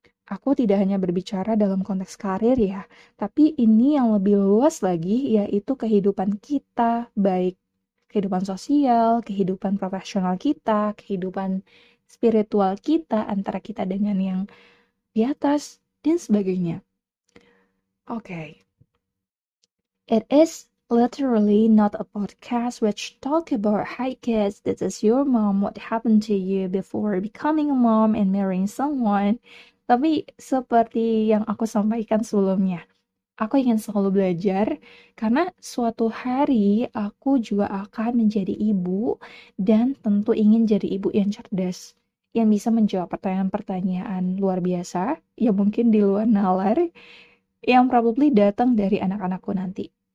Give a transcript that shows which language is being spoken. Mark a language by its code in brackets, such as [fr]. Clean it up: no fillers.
[id] Aku tidak hanya berbicara dalam konteks karir ya, tapi ini yang lebih luas lagi, yaitu kehidupan kita, baik kehidupan sosial, kehidupan profesional kita, kehidupan spiritual kita, antara kita dengan yang di atas, dan sebagainya. [en] Okay. It is literally not a podcast which talk about hi kids, this is your mom, what happened to you before becoming a mom and marrying someone. [id] Tapi seperti yang aku sampaikan sebelumnya, aku ingin selalu belajar karena suatu hari aku juga akan menjadi ibu dan tentu ingin jadi ibu yang cerdas, yang bisa menjawab pertanyaan-pertanyaan luar biasa, yang mungkin di luar nalar, yang probably datang dari anak-anakku nanti.